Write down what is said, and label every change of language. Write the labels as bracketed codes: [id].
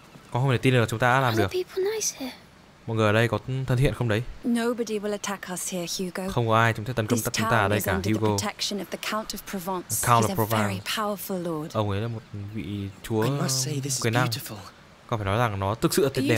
[vi] Con không thể tin được chúng ta đã làm [en] Are [vi] được. [en] Nice. [vi] Mọi người ở đây có thân thiện không đấy? [en] Nobody will attack us here, Hugo. [vi] Không có ai chúng sẽ tấn công chúng ta ở đây cả, Hugo. [en] The protection of the Count of Provence. Count of Provence. He's a very powerful lord. [vi] Ông ấy là một vị chúa quyền năng. Có phải nói rằng nó thực sự là tuyệt đẹp.